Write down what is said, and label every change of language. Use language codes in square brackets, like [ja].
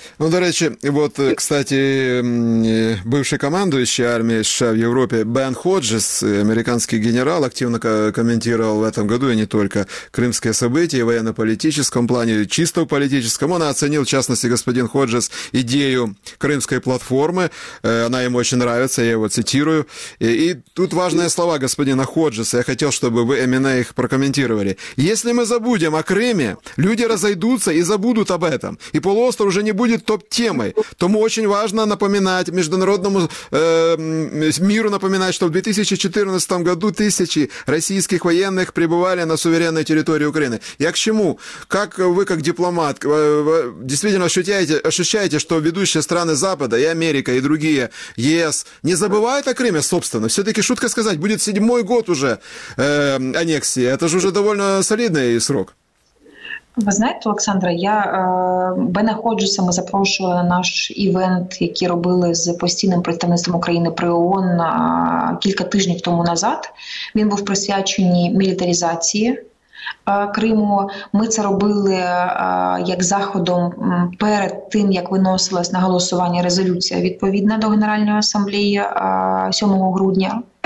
[uk] Ну, до речі, от, [ru] кстати, [uk] бувший командуючий армії США в Європі Бен Ходжес, американський генерал, активно коментував в цьому році, і не тільки, кримське [ru] событие, [uk] і воєнно-політичному плані, чисто політичному, він оцінив, в частності, [ru] господин [uk] Ходжес, [ru] идею Крымской платформы. Она ему очень нравится, я его цитирую. И тут важные слова господина Ходжеса. Я хотел, чтобы вы именно их прокомментировали. Если мы забудем о Крыме, люди разойдутся и забудут об этом. И полуостров уже не будет топ-темой. Тому очень важно напоминать международному миру, напоминать, что в 2014 году тысячи российских военных пребывали на суверенной территории Украины. Я к чему? Как вы, как дипломат, действительно, ощущаете, что ведущие страны Запада, и Америка, и другие, ЕС, не забывают о Крыме, собственно? Все-таки шутка сказать, будет 7-й год уже аннексии. Это же уже довольно солидный срок. [uk] Ви знаєте, Олександра, я Бена Ходжеса ми запрошували на наш івент, який робили з постійним представництвом України при ООН кілька тижнів тому назад. Він був присвячений мілітаризації Криму. Ми це робили як заходом перед тим, як виносилась на голосування резолюція відповідна до Генеральної асамблеї 7 грудня.